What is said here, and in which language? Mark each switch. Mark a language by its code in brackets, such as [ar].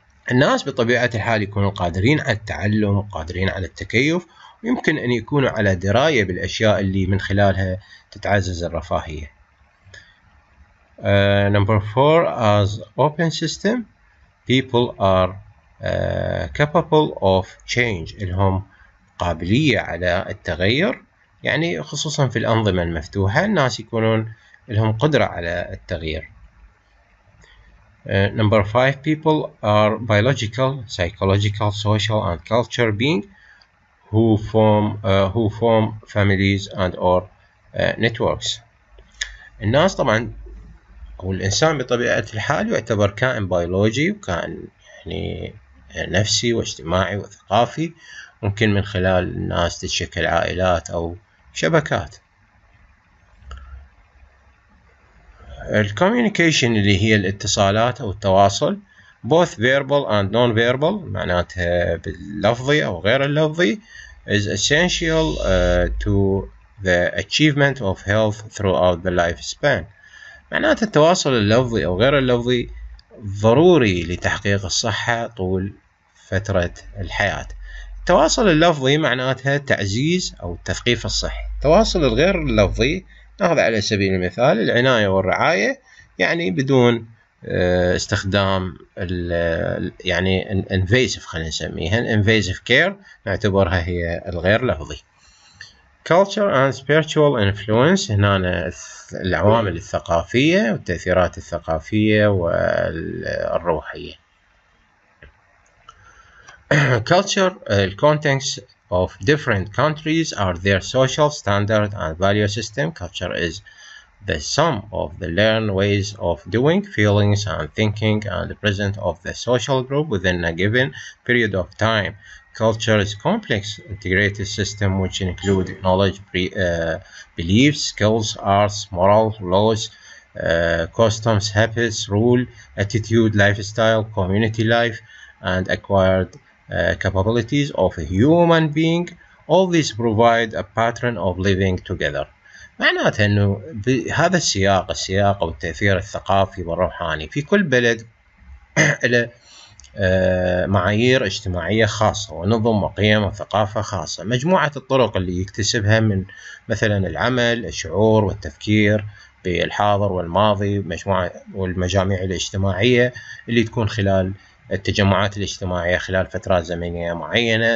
[ar] الناس بطبيعة الحال يكونوا قادرين على التعلم وقادرين على التكيف ويمكن أن يكونوا على دراية بالأشياء اللي من خلالها تتعزز الرفاهية. [en] Number four, as open system, people are capable of change. [ar] لهم قابلية على التغير. يعني خصوصا في الأنظمة المفتوحة الناس يكونون لهم قدرة على التغيير. [en] Number five, people are biological, psychological, social and culture being who form families and or networks. [ar] الناس طبعا أو الإنسان بطبيعة الحال يعتبر كائن بيولوجي وكائن يعني نفسي واجتماعي وثقافي ممكن من خلال الناس تتشكل عائلات أو شبكات. [en] الكوميونيكيشن [ar] اللي هي الاتصالات او التواصل [en] both verbal and non-verbal [ar] معناتها باللفظي او غير اللفظي [en] is essential to the achievement of health throughout the lifespan. [ar] معناتها التواصل اللفظي او غير اللفظي ضروري لتحقيق الصحة طول فترة الحياة. التواصل اللفظي معناتها تعزيز أو التثقيف الصحي. التواصل الغير اللفظي نأخذ على سبيل المثال العناية والرعاية يعني بدون استخدام يعني invasive خلينا نسميها [en] invasive care [ar] نعتبرها هي الغير لفظي. [en] Culture and spiritual influence [ar] هنا العوامل الثقافية والتأثيرات الثقافية والروحية. [en] Culture, contexts of different countries are their social standard and value system. Culture is the sum of the learned ways of doing, feelings and thinking and the present of the social group within a given period of time. Culture is complex integrated system which include knowledge, beliefs, skills, arts, morals, laws, customs, habits, rule, attitude, lifestyle, community life and acquired capabilities of a human being. All this provide a pattern of living together. [ar] معناته انه بهذا السياق السياق او التأثير الثقافي والروحاني في كل بلد له معايير اجتماعية خاصة ونظم وقيم وثقافة خاصة. مجموعة الطرق اللي يكتسبها من مثلا العمل الشعور والتفكير بالحاضر والماضي مجموعة والمجاميع الاجتماعية اللي تكون خلال التجمعات الاجتماعية خلال فترات زمنية معينة.